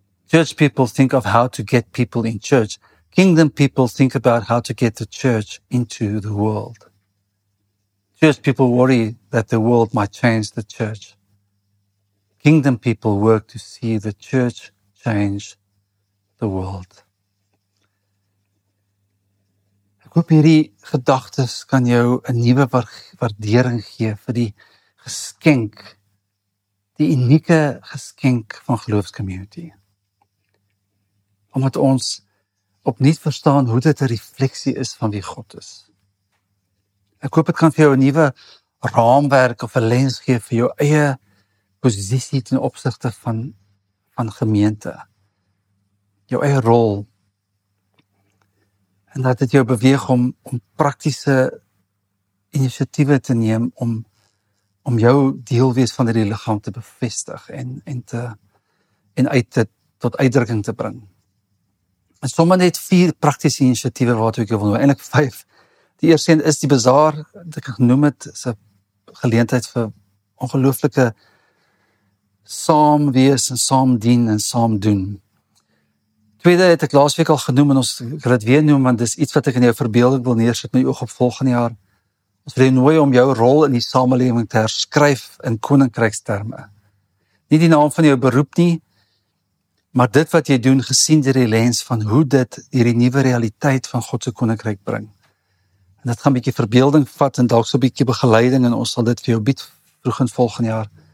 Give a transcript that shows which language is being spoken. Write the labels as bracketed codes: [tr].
[en] Church people think of how to get people in church. Kingdom people think about how to get the church into the world. Church people worry that the world might change the church. Kingdom people work to see the church change the world. [af] Ek hoop hierdie gedagtes kan jou 'n nuwe waardering gee vir die geskenk, die unieke geskenk van geloofscommunity. Omdat ons opnuut verstaan hoe dit 'n refleksie is van wie God is. Ek hoop dit kan vir jou 'n nuwe raamwerk of 'n lens gee vir jou eie posisie ten opsigte van gemeente. Jou eie rol. En dat dit jou beweeg om praktiese initiatiewe te neem om jou deel wees van hierdie liggaam te bevestig en tot uitdrukking te bring. En sommer net 4 praktiese initiatiewe waartoe ek jou wil noem, eintlik 5. Die eerste een is die bazaar, wat ek genoem het, is 'n geleentheid vir ongelooflike saam wees en saam dien en saam doen. Tweede het ek laasweek al genoem en ons kan dit weer noem, want dis iets wat ek in jou verbeelding wil neersit met jou oog op volgende jaar. Ons wil jou nooi om jou rol in die samelewing te herskryf in koninkryksterme. Nie die naam van jou beroep nie, maar dit wat jy doen gesien deur die lens van hoe dit hierdie nuwe realiteit van God se koninkryk bring. En dit gaan 'n bietjie verbeelding vat en dalk so 'n bietjie begeleiding en ons sal dit vir jou bied vroeg in volgende jaar.